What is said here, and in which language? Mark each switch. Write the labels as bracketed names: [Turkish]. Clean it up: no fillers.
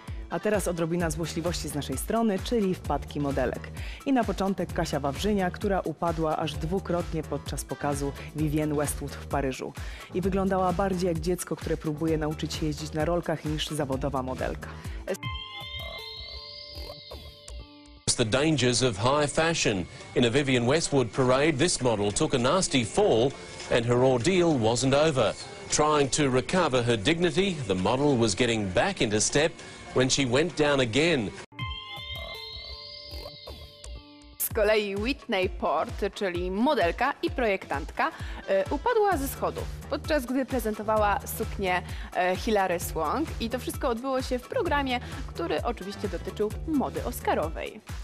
[Polish] A teraz odrobina złośliwości z naszej strony, czyli wpadki modelek. I na początek Kasia Wawrzynia, która upadła aż dwukrotnie podczas pokazu Vivienne Westwood w Paryżu. I wyglądała bardziej jak dziecko, które próbuje nauczyć się jeździć na rolkach niż zawodowa modelka. [English] The dangers of high fashion. In a Vivienne Westwood parade, this model took a nasty fall and her ordeal wasn't over. Trying to recover her dignity, the model was getting back into step when she went down again. [Polish] Z kolei Whitney Port, czyli modelka i projektantka, upadła ze schodów, podczas gdy prezentowała suknię Hilary Swank. I to wszystko odbyło się w programie, który oczywiście dotyczył mody oscarowej.